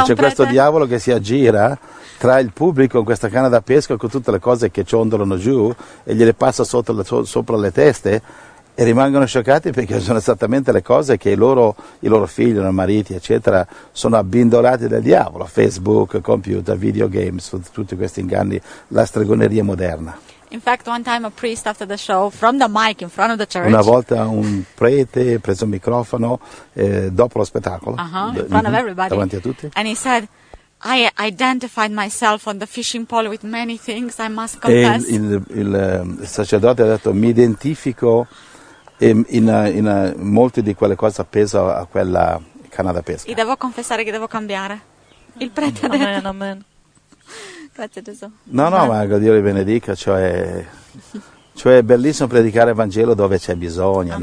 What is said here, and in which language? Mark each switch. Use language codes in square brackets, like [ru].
[it] e c'è questo diavolo che si aggira tra il pubblico con questa canna da pesca con tutte le cose che ciondolano giù e gliele passa sopra le teste e rimangono scioccati perché sono esattamente le cose che i loro figli, i loro mariti eccetera sono abbindolati dal diavolo: Facebook, computer, videogames, tutti questi inganni, la stregoneria moderna. [en] In fact, one time a priest after the show, from the mic in front of the church. [it] Una volta un prete preso il microfono dopo lo spettacolo, [en] in front of everybody, [it] davanti a tutti. [en] And he said, I identified myself on the fishing pole with many things, I must confess. [it] E il sacerdote ha detto, mi identifico in molte di quelle cose appeso a quella canna da pesca. E devo confessare che devo cambiare. Il prete amen, ha detto. Amen, amen. Grazie Gesù. No, ma Dio li benedica, cioè è bellissimo predicare il Vangelo dove c'è bisogno,